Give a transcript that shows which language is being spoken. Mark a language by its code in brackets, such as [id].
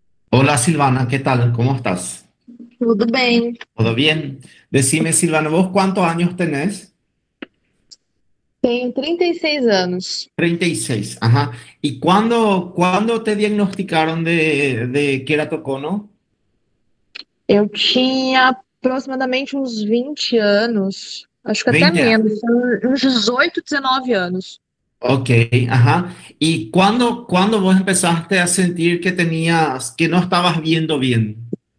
[es] Hola Silvana, ¿qué tal? ¿Cómo estás? [pt] Tudo bem? [es] ¿Todo bien? Decime, Silvana, ¿vos cuántos años tenés? [pt] Tenho 36 anos. [es] 36, ajá. ¿Y cuándo te diagnosticaron de queratocono? [pt] Eu tinha aproximadamente uns 20 anos, acho que até [es] 20 años. [pt] menos, uns 18, 19 anos. [es] Ok, ajá. ¿Y cuándo vos empezaste a sentir que no estabas viendo bien?